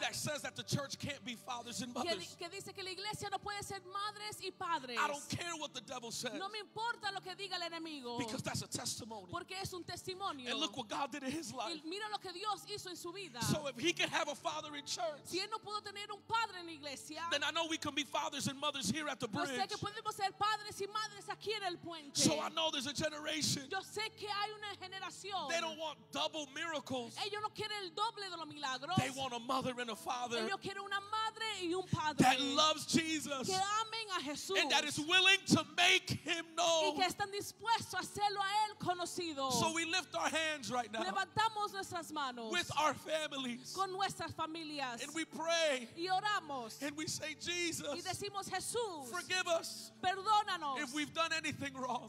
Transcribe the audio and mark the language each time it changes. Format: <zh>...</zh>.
<en>That says that the church can't be fathers and mothers.</en> <es>Que dice que la iglesia no puede ser madres y padres.</es> <en>I don't care what the devil says.</en> <es>No me importa lo que diga el enemigo.</es> <en>Because that's a testimony.</en> <es>Porque es un testimonio.</es> <en>And look what God did in his life.</en> <es>Y mira lo que Dios hizo en su vida.</es> <en>So if he can have a father in church,</en> <es>si él no pudo tener un padre en la iglesia,</es> <en>then I know we can be fathers and mothers here at the bridge.</en> <es>Yo sé que podemos ser padres y madres aquí en el puente.</es> <en>So I know there's a generation.</en> <es>Yo sé que hay una generación.</es> <en>They don't want double miracles.</en> <es>Ellos no quieren el doble de los milagros.</es> <en>They want a mother and a father.</en> <es>Ellos quieren una madre y un padre.</es> <en>That loves Jesus.</en> <es>Que amen a Jesús.</es> <en>And that is willing to make him known.</en> <es>Y que están dispuestos hacerlo a él conocido.</es> <en>So we lift our hands right now.</en> <es>Levantamos nuestras manos.</es> <en>With our families.</en> <es>Con nuestras familias.</es> <en>And we pray.</en> <es>Y oramos.</es> <en>And we say Jesus.</en> <es>Y decimos Jesús.</es> <en>Forgive us.</en> <es>Perdónanos.</es> <en>If we've done anything wrong.</en>